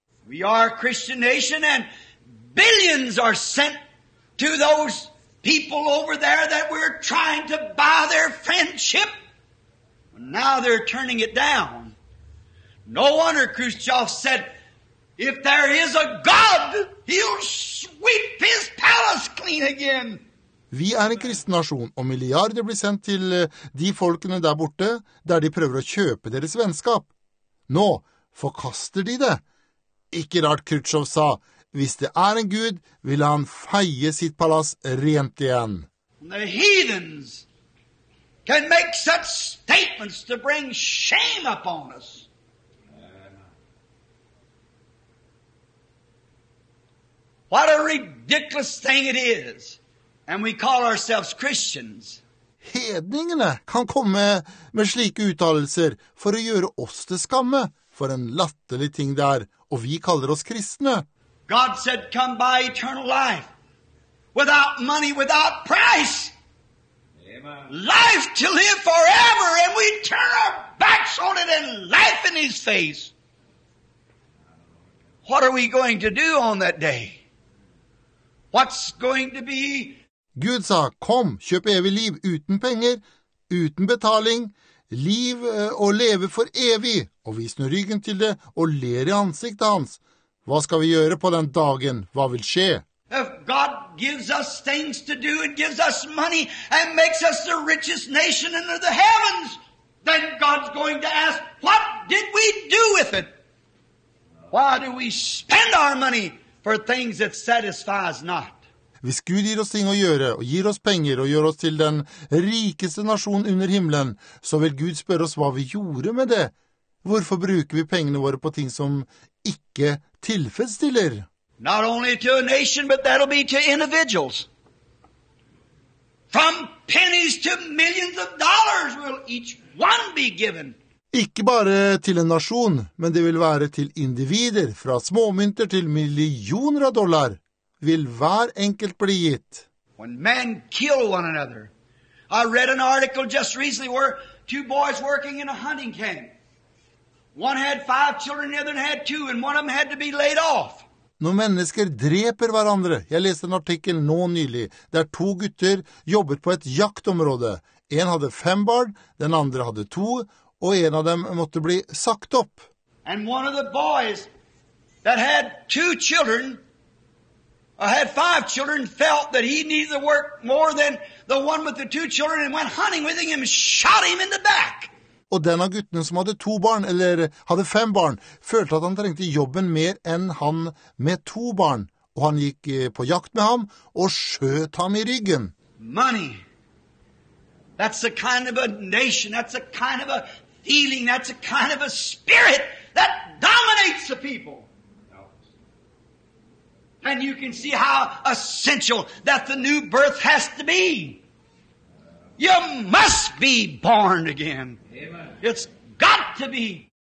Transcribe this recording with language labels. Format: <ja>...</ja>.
<en>We are a Christian nation and billions are sent to those people over there that we're trying to buy their friendship. Now they're turning it down. No wonder Khrushchev said, if there is a God, he'll sweep his palace clean again.</en> <no>Vi en kristen nasjon, og milliarder blir sendt til de folkene der borte, der de prøver å kjøpe deres vennskap. Nå forkaster de det. Ikke rart Khrushchev sa, hvis det en Gud, vil han feie sitt palass rent igjen.</no> <en>The heathens can make such statements to bring shame upon us. What a ridiculous thing it is. And we call ourselves Christians.</en> <no>Hedningene kan komme med slike uttalelser for å gjøre oss til skamme for en latterlig ting der, og vi kaller oss kristne.</no> <en>God said, come by eternal life, without money, without price. Amen. Life to live forever, and we turn our backs on it and laugh in his face. What are we going to do on that day? What's going to be?</en> <no>Gud sa, kom, kjøp evig liv, uten penger, uten betaling, liv og leve for evig, og vis nå ryggen til det, og ler I ansiktet hans. Hva skal vi gjøre på den dagen? Hva vil skje?</no> <en>If God gives us things to do and gives us money and makes us the richest nation under the heavens, then God's going to ask, what did we do with it? Why do we spend our money for things that satisfies not?</en> <no>Hvis Gud gir oss ting å gjøre, og gir oss penger, og gjør oss til den rikeste nasjonen under himmelen, så vil Gud spørre oss hva vi gjorde med det. Hvorfor bruker vi pengene våre på ting som ikke tilfredsstiller?</no> <en>Not only to a nation, but that'll be to individuals. From pennies to millions of dollars will each one be given.</en> <no>Ikke bare til en nasjon, men det vil være til individer, fra småmynter til millioner av dollar, vil hver enkelt bli gitt.</no> <en>When men kill one another. I read an article just recently where two boys working in a hunting camp. One had five children, the other had two, and one of them had to be laid off.</en> <no>Når mennesker dreper hverandre, jeg leste en artikkel nå nylig, der to gutter jobbet på et jaktområde. En hadde fem barn, den andre hadde to, og en av dem måtte bli sagt opp.</no> <en>And one of the boys that had two children, or had five children, felt that he needed to work more than the one with the two children, and went hunting with him and shot him in the back.</en> <no>Og den av guttene som hadde to barn, eller hadde fem barn, følte at han trengte jobben mer enn han med to barn. Og han gikk på jakt med ham og skjøt ham I ryggen.</no> <en>Money. That's a kind of a nation. That's a kind of a feeling. That's a kind of a spirit that dominates the people. And you can see how essential that the new birth has to be. You must be born again. It's got to be.</en>